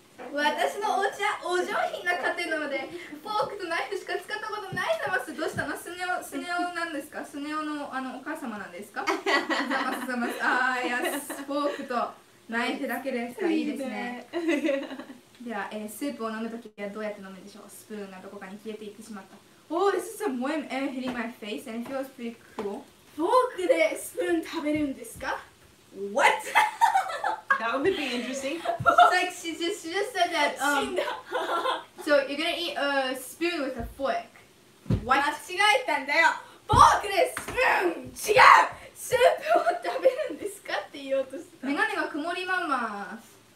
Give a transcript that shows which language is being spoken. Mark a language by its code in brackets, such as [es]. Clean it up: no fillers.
[ja] 私のお家はお上品な家庭なので、フォークとナイフしか使ったことないざます。どうしたの？スネオなんですか？スネオの、あのお母様なんですか？ざますざます。あー、いや、フォークと。ナイフだけですか、いいですね。では、スープを飲むときはどうやって飲むんでしょう。スプーンがどこかに消えていってしまった。 [en] Oh, this is a warm air hitting my face and feels pretty cool. [ja] フォークでスプーン食べるんですか。 [en] What? That would be interesting. It's like she just said that. So you're gonna eat a spoon with a fork. What? [ja] 間違えたんだよ。フォークでスプーン違う。スープを食べるんですかって言おうとした。メガネが曇りまんまーす。